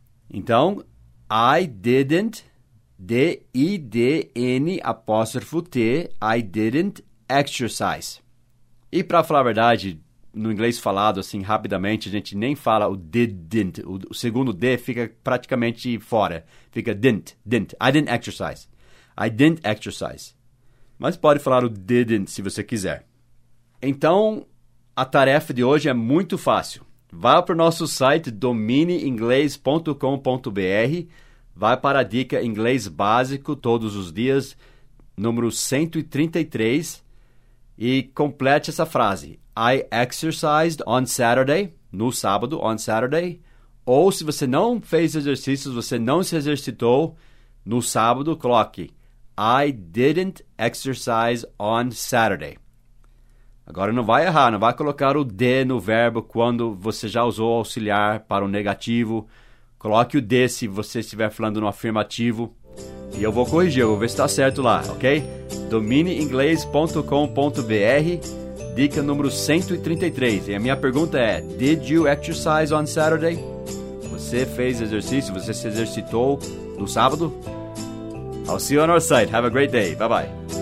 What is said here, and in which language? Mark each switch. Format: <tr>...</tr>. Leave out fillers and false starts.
<en>Então, I didn't, D-I-D-N, apóstrofo T, I didn't exercise.</en> <pt>E para falar a verdade, no inglês falado assim rapidamente, a gente nem fala o didn't, o segundo D fica praticamente fora, fica didn't,</pt> <en>I didn't exercise, I didn't exercise.</en> <pt>Mas pode falar o didn't se você quiser. Então, a tarefa de hoje é muito fácil. Vá para o nosso site domineinglês.com.br. Vai para a dica Inglês Básico Todos os Dias, número 133. E complete essa frase.</pt> <en>I exercised on Saturday,</en> <pt>no sábado,</pt> <en>on Saturday.</en> <pt>Ou se você não fez exercícios, você não se exercitou, no sábado, coloque</pt> <en>I didn't exercise on Saturday.</en> <pt>Agora não vai errar, não vai colocar o D no verbo quando você já usou o auxiliar para o negativo. Coloque o D se você estiver falando no afirmativo. E eu vou corrigir, eu vou ver se está certo lá, ok? domineinglês.com.br, dica número 133. E a minha pergunta é,</pt> <en>did you exercise on Saturday?</en> <pt>Você fez exercício, você se exercitou no sábado?</pt> <en>I'll see you on our site. Have a great day. Bye-bye.</en>